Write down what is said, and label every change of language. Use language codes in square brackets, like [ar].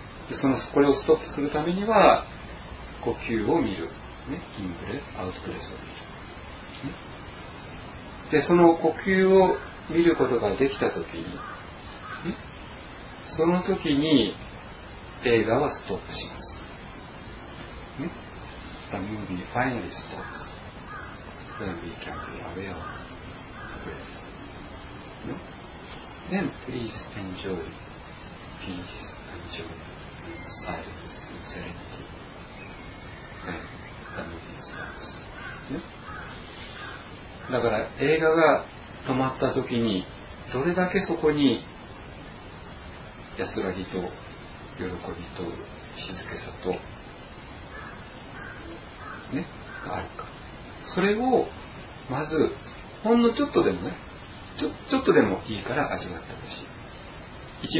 [ja] でそのこれをストップするためには呼吸を見る、ね、インプレアウトプレスを見る、ね、でその呼吸を見ることができたときに、そのときに映画はストップします。 [en] The movie finally stops when we can be aware of it. Then please enjoy peace and joy and silence and serenity when the movie stops. [ja] だから映画が止まったときに、どれだけそこに安らぎと喜びと静けさと、ね、があるか、それをまずほんのちょっとでもね、ちょっとでもいいから味わってほしい。